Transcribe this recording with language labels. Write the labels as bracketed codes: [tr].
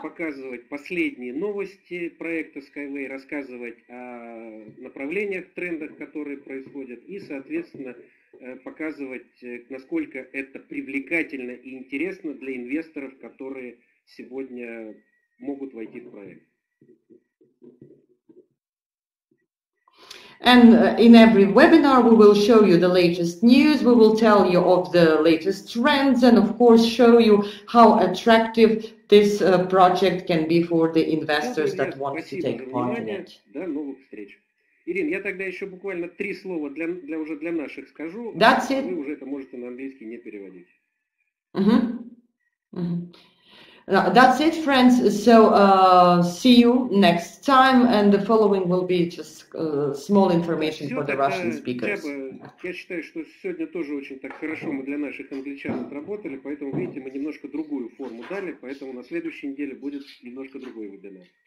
[ru] Показывать последние новости проекта Skyway, рассказывать о направлениях, трендах, которые происходят, и, соответственно, показывать, насколько это привлекательно и интересно для инвесторов, которые сегодня могут войти в проект. [en] And in every webinar, we will show you the latest news, we will tell you of the latest trends, and of course, show you how attractive this project can be for the investors that want to take part in it. [ru] Ирин, я тогда еще буквально три слова для уже для наших скажу. [en] That's it. [ru] Вы уже это можете на английский не переводить. [en] That's it, friends. So see you next time, and the following will be just small information [ru] все [en] for the Russian speakers. [ru] Я считаю, что сегодня тоже очень так хорошо мы для наших англичан отработали, поэтому видите, мы немножко другую форму дали, поэтому на следующей неделе будет немножко другой вебинар.